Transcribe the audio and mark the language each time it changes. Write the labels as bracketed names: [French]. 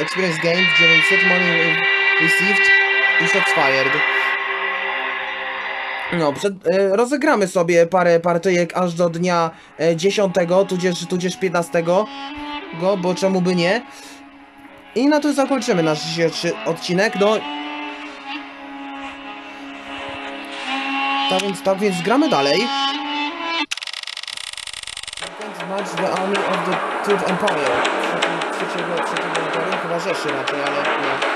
[English] Experience gained, 900 money received i satisfied. [Polish] No, rozegramy sobie parę partyjek aż do dnia 10, tudzież 15, bo czemu by nie? I na tym zakończymy nasz dzisiejszy odcinek. No. Tak więc gramy dalej. [English] The army of the Third Empire. [Polish] Trzeciego Imperium, chyba Rzeszy raczej, ale nie.